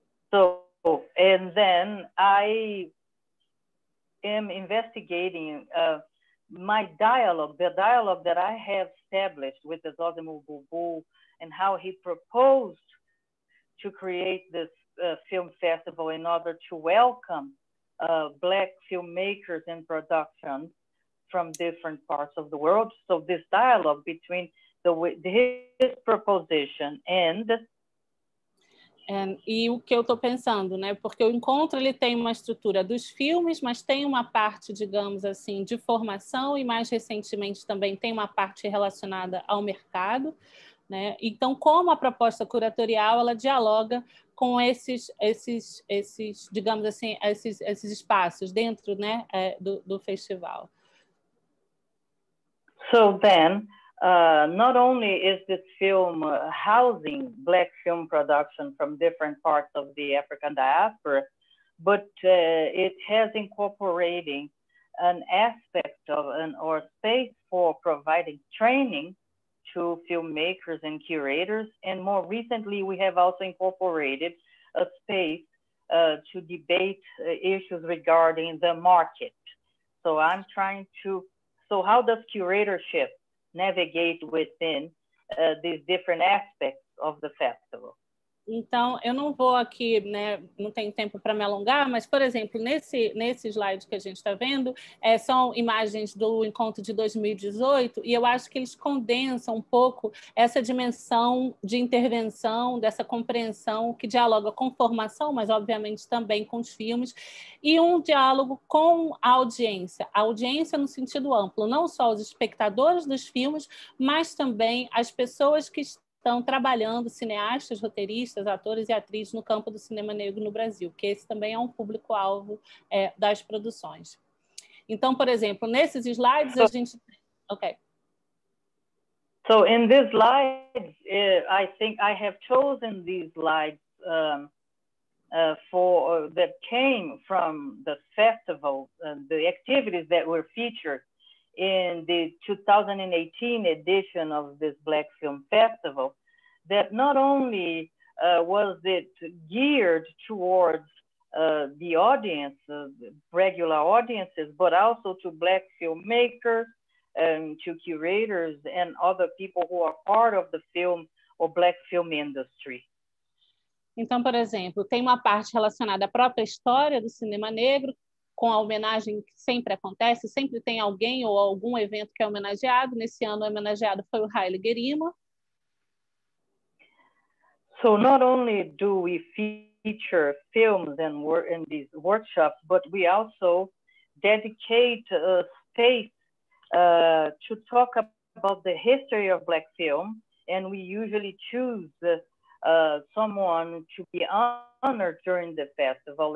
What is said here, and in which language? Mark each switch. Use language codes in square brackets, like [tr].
[en] So, and then I am investigating my dialogue, the dialogue that I have established with the Zozimo Bulbul and how he proposed to create this film festival in order to welcome Black filmmakers and productions from different parts of the world. So this dialogue between his proposition and [pt] E o que eu estou pensando, né? Porque o encontro ele tem uma estrutura dos filmes, mas tem uma parte, digamos assim, de formação e mais recentemente também tem uma parte relacionada ao mercado, né? Então, como a proposta curatorial ela dialoga com esses digamos assim, esses espaços dentro, né, do festival? [en] So then, not only is this film housing Black film production from different parts of the African diaspora, but it has incorporating an aspect of or space for providing training to filmmakers and curators. And more recently, we have also incorporated a space to debate issues regarding the market. So I'm trying to, so how does curatorship navigate within these different aspects of the festival? [pt] Então, eu não vou aqui, né, não tenho tempo para me alongar, mas, por exemplo, nesse slide que a gente está vendo, são imagens do encontro de 2018, e eu acho que eles condensam um pouco essa dimensão de intervenção, dessa compreensão que dialoga com formação, mas, obviamente, também com os filmes, e um diálogo com a audiência. A audiência no sentido amplo, não só os espectadores dos filmes, mas também as pessoas que estão trabalhando, cineastas, roteiristas, atores e atrizes no campo do cinema negro no Brasil, que esse também é um público-alvo das produções. Então, por exemplo, nesses slides a gente... Ok. [en] So, in these slides, I think I have chosen these slides that came from the festival, the activities that were featured in the 2018 edition of this Black Film Festival, that not only was it geared towards the audience, regular audiences, but also to Black filmmakers and to curators and other people who are part of the film or Black film industry. [pt] Então, por exemplo, tem uma parte relacionada à própria história do cinema negro, com a homenagem que sempre acontece, sempre tem alguém ou algum evento que é homenageado. Nesse ano, o homenageado foi o Haile Gerima. [en] So not only do we feature films and work in these workshops, but we also dedicate a space to talk about the history of Black film, and we usually choose someone to be honored during the festival.